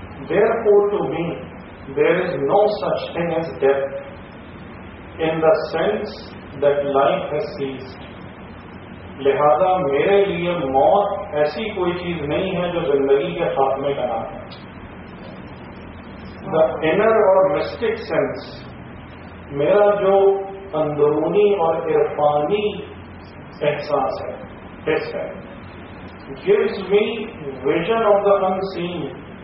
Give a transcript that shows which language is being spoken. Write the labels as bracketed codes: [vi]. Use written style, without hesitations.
[en] Therefore to me there is no such thing as death in the sense that life has ceased. [ur] لہذا میرے لیے موت ایسی کوئی چیز نہیں ہے جو زندگی کے خاتمے کا نام ہے. [en] The inner or mystic sense, [ur] میرا جو اندرونی اور عرفانی احساس ہے اس ہے [en] gives me vision of the unseen.